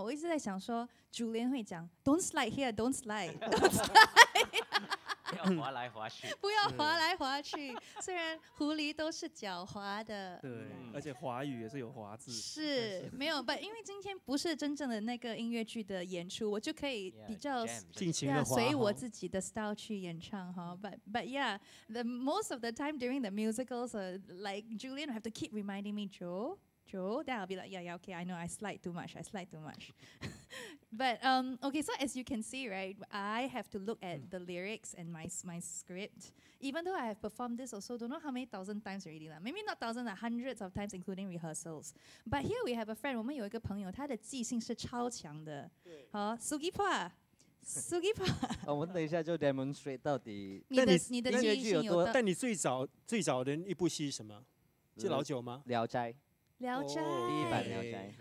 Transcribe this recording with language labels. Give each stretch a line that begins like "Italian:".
Chinese: 我一直在想说，主联会讲
English: ，Don't slide here，Don't slide，Don't slide，
Chinese: 不要滑来滑去，不要滑来滑去。虽然狐狸都是狡猾的，对，而且华语也是有滑字，是没有吧？因为今天不是真正的那个音乐剧的演出，我就可以比较尽情的随我自己的 style 去演唱哈。
English: But yeah, the most of the time during the musicals, like Julian, have to keep reminding me, Joe. Then I'll be like, yeah, okay, I know, I slide too much. But okay, so as you can see, right, I have to look at the lyrics and my script. Even though I have performed this also, don't know how many thousand times already lah. Maybe not thousands, like hundreds of times, including rehearsals. But here we have a friend.
Chinese: 我们有一个朋友，他的记性是超强的。对。好 ，Sugipa。我们等一下就 demonstrate 到底。你的记性有多？但你最早的一部戏是什么？是老九吗？聊斋。聊斋。第一版聊斋。